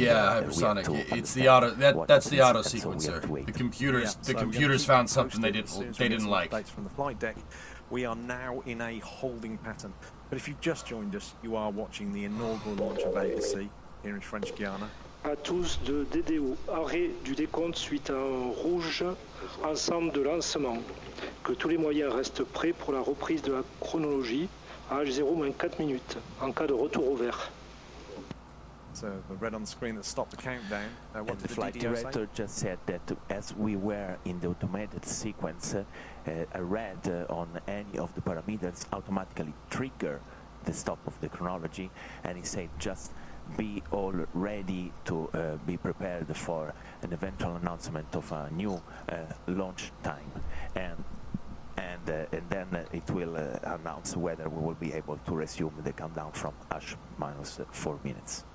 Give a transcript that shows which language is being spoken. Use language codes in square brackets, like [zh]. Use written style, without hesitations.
[en] Hypersonic, it's the auto. That's the auto sequencer. So the computers, computers found something they didn't like. Updates from the flight deck. We are now in a holding pattern. But if you've just joined us, you are watching the inaugural launch of Vega-C here in French Guiana. [fr] À tous de DDO, arrêt du décompte suite à un rouge, ensemble de lancement. Que tous les moyens restent prêts pour la reprise de la chronologie à H0 moins 4 minutes, en cas de retour au vert. [en] So the red on the screen that stopped the countdown. And the flight director just said that as we were in the automated sequence, a red on any of the parameters automatically trigger the stop of the chronology, and he said just be all ready to be prepared for an eventual announcement of a new launch time, and then it will announce whether we will be able to resume the countdown from H minus 4 minutes.